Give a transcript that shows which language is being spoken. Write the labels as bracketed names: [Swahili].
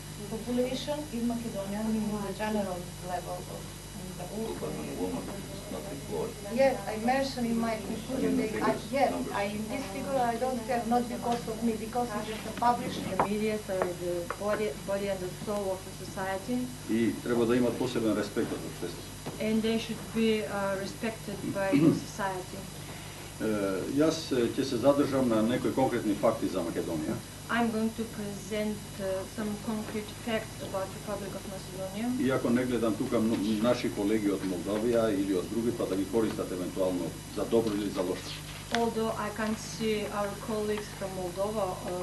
[English] Population in Macedonia, meaning the general level of the population. Yes, I mentioned in my conclusion that, yes, in this figure I don't have, not because of me, because it is published in the media, so the body and the soul of the society. [Macedonian] И треба да има посебен респект од општеството. [English] And they should be respected by the society. [Macedonian] Јас ќе се задржам на некои конкретни факти за Македонија. [English] I'm going to present some concrete facts about the Republic of Macedonia. [Macedonian] Иако не гледам тука наши колеги од Молдавија или од други, па да ги користат евентуално за добро или за лошо. [English] Although I can't see our colleagues from Moldova,